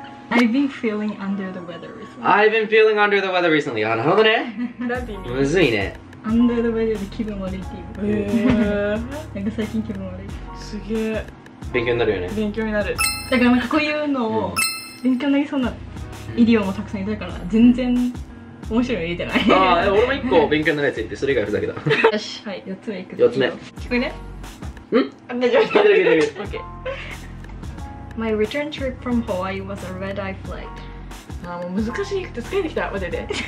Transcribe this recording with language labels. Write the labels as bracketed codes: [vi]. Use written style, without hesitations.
[en] I've been feeling under the weather recently. I've been feeling under the weather recently. [ja] なるほどね。むずいね。 Under the weather で気分悪いっていう。なんか最近気分悪い。すげえ。勉強になるよね。勉強になる。だからなんかこういうのを勉強になりそうなイディオもたくさんいたから、全然。面白いの言えてない。ああ、俺も一個勉強のやつ言って、それ以外ふざけた。よし、はい、四つ目いくぞ。四つ目。聞こえね。ん？あ、大丈夫。大丈夫、大丈夫。オッケー。 [en] My return trip from Hawaii was a red eye flight。 [ja] ああ、もう難しくて疲れてきた。待ってて。